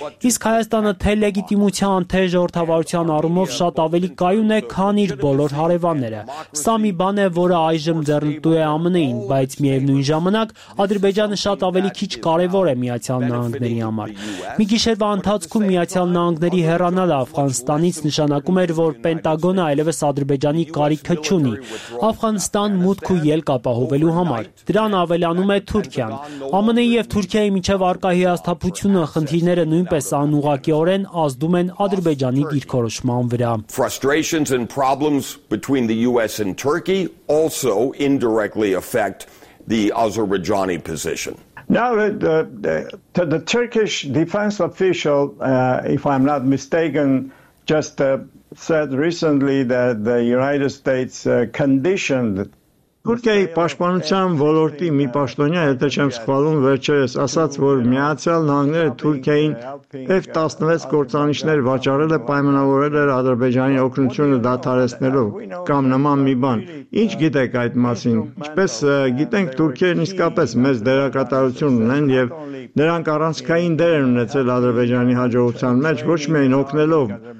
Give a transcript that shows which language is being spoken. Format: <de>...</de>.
<hy>Իսկ Հայաստանը թե լեգիտիմության, թե ժողովրդավարության առումով շատ ավելի կայուն է, քան իր բոլոր հարևանները։ Սա մի բան է, որը այժմ ձեռնտու է ԱՄՆ-ին, բայց միևնույն ժամանակ Ադրբեջանը շատ ավելի քիչ կարևոր է Միացյալ Նահանգների համար։ Մի գիշերվա ընթացքում Միացյալ Նահանգների հեռանալը Աֆղանստանից նշանակում էր, որ Պենտագոնը այլևս Ադրբեջանի կարիքը չունի Աֆղանստան մուտք ու ելք ապահովելու համար։ Դրան ավելանում է Թուրքիան։ ԱՄՆ-ի եւ Թուրքիայի միջև արկա հիասթափությունը խնդիրները նույնպես անուղակիորեն ազդում են Ադրբեջանի դիրքորոշման վրա։</hy> <en>Frustrations and problems between the US and Turkey also indirectly affect the Azerbaijani position. Now the Turkish defense official, if I'm not mistaken, just said recently that the United States conditioned</en> <hy>Թուրքիայի պաշտպանության ոլորտի մի պաշտոնյա, եթե չեմ սխալվում, վերջերս ասաց, որ Միացյալ Նահանգները Թուրքիային F-16 գործանիշներ վաճառել է, պայմանավորել է Ադրբեջանի օգնությունը դադարեցնելով կամ նման մի բան։ Ինչ գիտեք այդ մասին։ Ինչպես գիտենք, Թուրքիան իսկապես մեծ դերակատարություն ունեն եւ նրանք առանցքային դեր են ունեցել Ադրբեջանի հաջողության մեջ, ոչ միայն օգնելով,</hy>